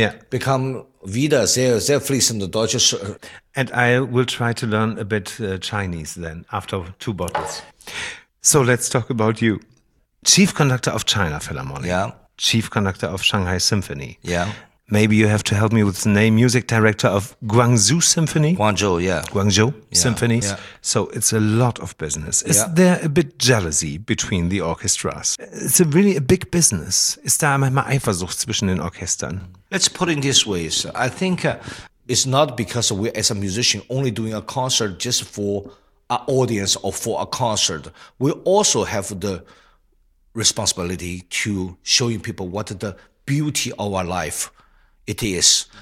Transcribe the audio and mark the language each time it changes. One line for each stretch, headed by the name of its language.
German: Become wieder sehr, sehr fließend Deutsch.
English: And I will try to learn a bit Chinese then, after two bottles. So let's talk about you. Chief Conductor of China Philharmonic. Yeah. Chief Conductor of Shanghai Symphony. Yeah. Maybe you have to help me with the name. Music Director of Guangzhou Symphony. Guangzhou Symphonies. Yeah. So it's a lot of business. Is there a bit jealousy between the orchestras? It's a really a big business.
German: Is da manchmal Eifersucht zwischen den Orchestern?
English: Let's put it this way. So I think... It's not because we as a musician only doing a concert just for an audience or for a concert. We also have the responsibility to showing people what the beauty of our life it is.